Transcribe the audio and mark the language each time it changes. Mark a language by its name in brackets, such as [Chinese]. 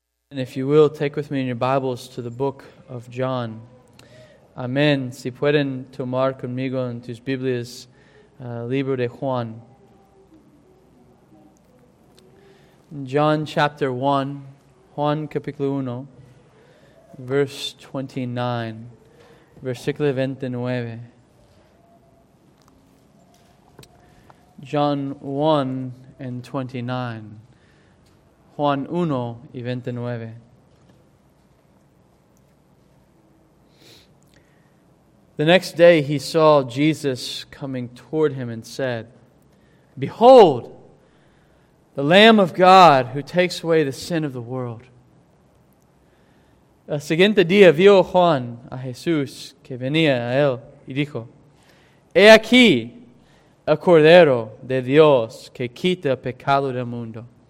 [English] And if you will, take with me in your Bibles to the book of John. Amen. [Spanish] Si pueden tomar conmigo en tus Biblias, libro de Juan. [English] John chapter 1, [Spanish] Juan capítulo 1, [English] verse 29, [Spanish] versículo 29. [English] John 1 and 29. [Spanish] Juan 1 y 29. [English] The next day he saw Jesus coming toward him and said, "Behold, the Lamb of God who takes away the sin of the world." [Spanish] El siguiente día vio Juan a Jesús que venía a él y dijo, "He aquí el Cordero de Dios que quita el pecado del mundo."